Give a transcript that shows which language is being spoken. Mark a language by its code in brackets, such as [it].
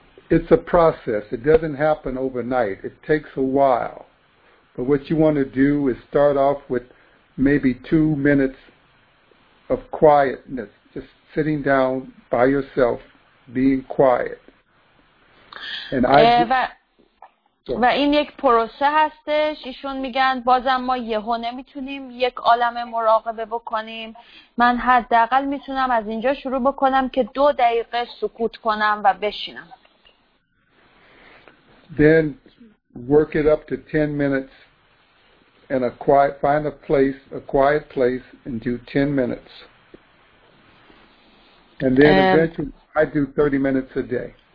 [en] It's a process. It doesn't happen overnight. It takes a while. But what you want to do is start off with maybe 2 minutes of quietness, just sitting down by yourself, being quiet. And I... [fa] و این یک پروسه هستش. ایشون میگن بازم ما یهو نمیتونیم یک عالم مراقبه بکنیم. من حداقل میتونم از اینجا شروع بکنم که 2 دقیقه سکوت کنم و بشینم. [en] Then work it up to 10 minutes and a quiet, find a quiet place and do 10 minutes. And then eventually I do 30 minutes a day.